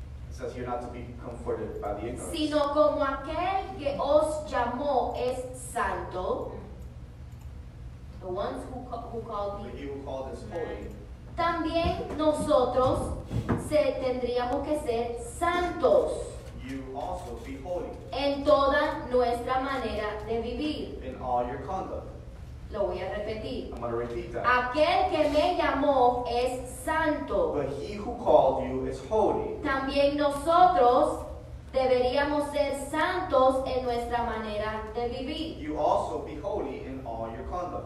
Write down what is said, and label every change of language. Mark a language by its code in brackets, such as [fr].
[en] Says you're not to be comforted by the ignorance. [es] Sino como aquel que os llamó es santo. [en] The ones who called me. But he who called us holy. [es] También nosotros se tendríamos que ser santos. [en] You also be holy. [es] En toda nuestra manera de vivir. [en] In all your conduct. [es] Lo voy a repetir. [en] I'm going to repeat that. [es] Aquel que me llamó es santo. [en] But he who called you is holy. [es] También nosotros deberíamos ser santos en nuestra manera de vivir. [en] You also be holy in all your conduct.